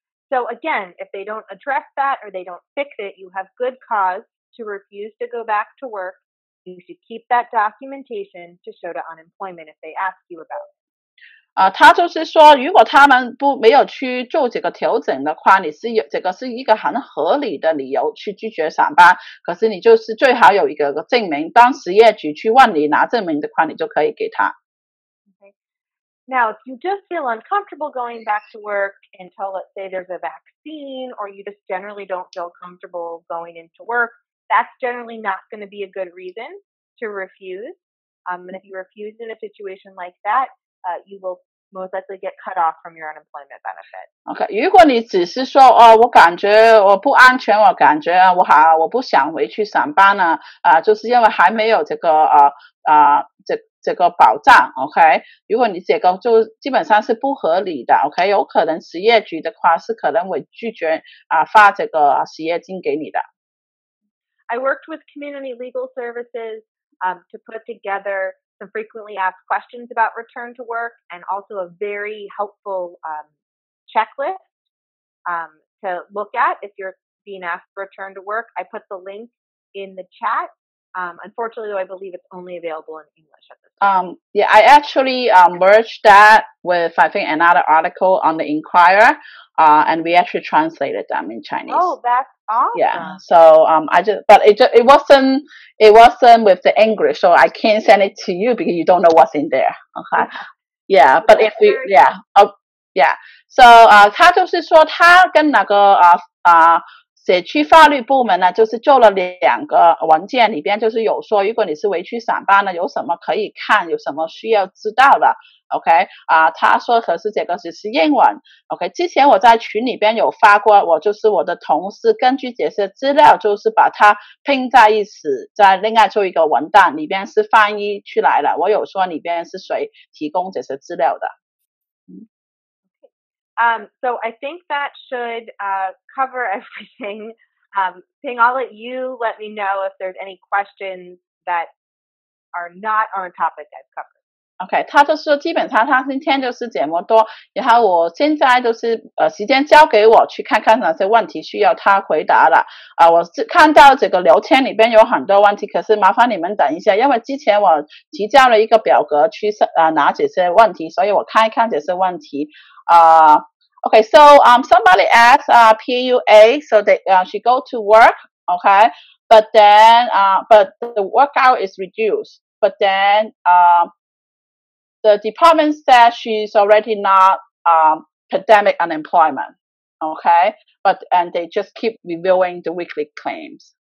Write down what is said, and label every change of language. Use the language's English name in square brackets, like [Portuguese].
[English] So again, if they don't address that or they don't fix it, you have good cause to refuse to go back to work. You should keep that documentation to show to unemployment if they ask you about it. [Chinese] 他就是说如果他们不没有去做这个调整的话，你是有这个是一个很合理的理由去拒绝上班，可是你就是最好有一个证明，当失业局去问你拿证明的话，你就可以给他。 [English] Now, if you just feel uncomfortable going back to work until, let's say, there's a vaccine, or you just generally don't feel comfortable going into work, that's generally not going to be a good reason to refuse. And if you refuse in a situation like that, you will most likely get cut off from your unemployment benefit. [Chinese] Okay, 如果你只是说、哦、我感觉我不安全，我感觉我好，我不想回去上班呢、就是因为还没有这个、这个保障 ，OK， 如果你这个就基本上是不合理的 ，OK， 有可能失业局的话是可能会拒绝啊发这个失业金给你的。 [English] I worked with community legal services to put together some frequently asked questions about return to work and also a very helpful checklist to look at if you're being asked to return to work. I put the link in the chat. Unfortunately, though, I believe it's only available in English at this time. Yeah, I actually merged that with, I think, another article on the Inquirer, and we actually translated them in Chinese. Oh, that's awesome. Yeah, so I just, but it wasn't with the English, so I can't send it to you because you don't know what's in there. Okay. Yeah, but if we, yeah. [Chinese] Yeah, so 他就是说他跟那个社区法律部门呢，就是做了两个文件，里边就是有说，如果你是回去上班呢，有什么可以看，有什么需要知道的 ，OK 啊、他说可是这个只是英文 ，OK， 之前我在群里边有发过，我就是我的同事根据这些资料，就是把它拼在一起，再另外做一个文档，里边是翻译出来了，我有说里边是谁提供这些资料的。 [English] So I think that should cover everything. Ping, I'll let you let me know if there's any questions that are not on a topic I've covered. [Chinese] Okay, 他就说基本上他今天就是这么多，然后我现在就是时间交给我去看看哪些问题需要他回答了。我看到这个聊天里边有很多问题，可是麻烦你们等一下，因为之前我提交了一个表格去拿这些问题，所以我看一看这些问题。 [English] Okay, so somebody asks PUA, so they she go to work, okay, but then but the workout is reduced, but then the department says she's already not pandemic unemployment, okay, but and they just keep reviewing the weekly claims.